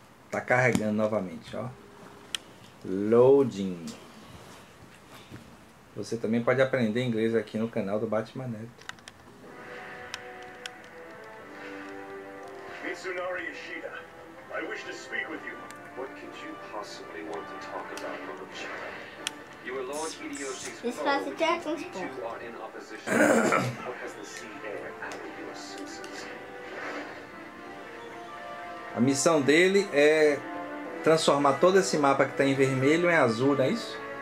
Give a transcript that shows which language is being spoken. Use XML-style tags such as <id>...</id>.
<pt>Tá carregando novamente, ó. Loading. Você também pode aprender inglês aqui no canal do Batman Neto.</pt> <en>Mitsunari Ishida, I wish to speak with you. What could you possibly want to talk about, Momochi? You are Lord Hideyoshi's father, but you two are in opposition. What has the sea air added your senses?</en> <pt>A missão dele é transformar todo esse mapa que está em vermelho em azul, não é isso?</pt>